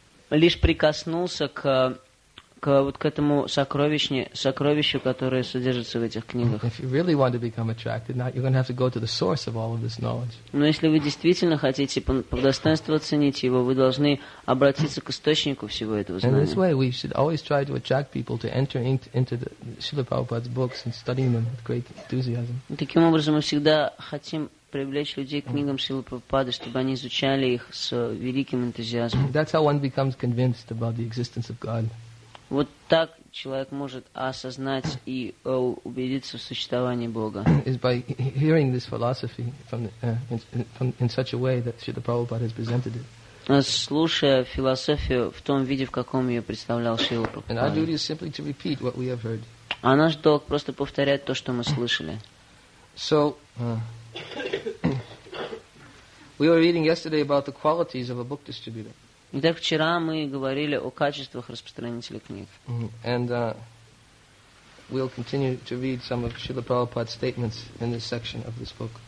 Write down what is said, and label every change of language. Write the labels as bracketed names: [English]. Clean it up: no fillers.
[Russian] Я лишь прикоснулся к этому сокровищу, которое содержится в этих книгах. [English] If you really want to become attracted, now you're going to have to go to the source of all of this knowledge. [Russian] Но если вы действительно хотите по достоинству оценить его, вы должны обратиться к источнику всего этого знания. [English] In this way, we should always try to attract people to enter into the Srila Prabhupada's books and studying them with great enthusiasm. [Russian] Таким образом, мы всегда хотим привлечь людей к книгам Шрилы Прабхупады, чтобы они изучали их с великим энтузиазмом. [English] That's how one becomes convinced about the existence of God. [Russian] Вот так человек может осознать и убедиться в существовании Бога. [English] Is by hearing this philosophy in such a way that Srila Prabhupada has presented it. [Russian] Слушая философию в том виде, в каком ее представлял Шрила Прабхупада. [English] And our duty is simply to repeat what we have heard. [Russian] А наш долг просто повторять то, что мы слышали. [English] So we were reading yesterday about the qualities of a book distributor. [Russian] Итак, вчера мы говорили о качествах распространителя книг. [English] And we'll continue to read some of Srila Prabhupada's statements in this section of this book.